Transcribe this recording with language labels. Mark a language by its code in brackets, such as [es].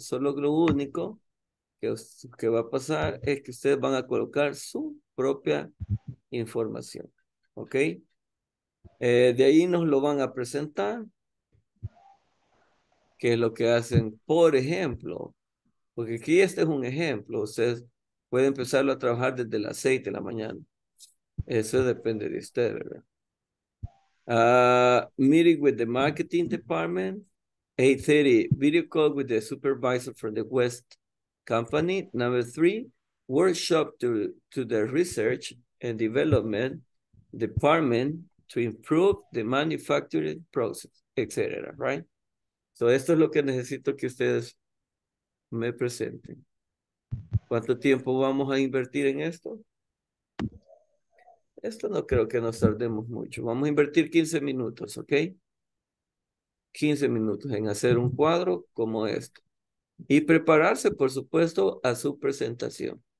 [es] Solo lo único que va a pasar es que ustedes van a colocar su propia información. ¿Ok? De ahí nos lo van a presentar. Que es lo que hacen, por ejemplo, porque aquí este es un ejemplo, ustedes pueden empezarlo a trabajar desde las 6 de la mañana. Eso depende de usted, ¿verdad? [en] Meeting with the marketing department, 8:30, video call with the supervisor from the West Company. Number 3, workshop to the research and development department to improve the manufacturing process, etc., right? So, [es] esto es lo que necesito que ustedes me presenten. ¿Cuánto tiempo vamos a invertir en esto? Esto no creo que nos tardemos mucho. Vamos a invertir 15 minutos, ¿ok? 15 minutos en hacer un cuadro como esto. Y prepararse, por supuesto, a su presentación.